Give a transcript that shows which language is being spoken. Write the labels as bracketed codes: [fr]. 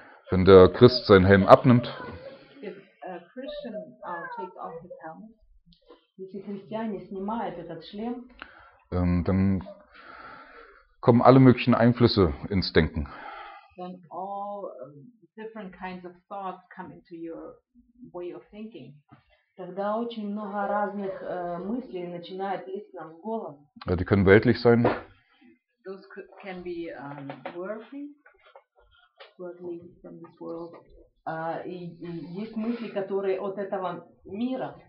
[de] Wenn der Christ seinen Helm abnimmt, [en] if a Christian takes off his helmet, [ru] если христиане снимают этот шлем, [de] dann kommen alle möglichen Einflüsse ins Denken. [en] Then all different kinds of thoughts come into your way of thinking. [ru] Тогда очень много разных мыслей начинает лезть нам в голову. [de] Ja, die können weltlich sein. [en] Those can be worldly from this world. [ru] И есть мысли, которые от этого мира.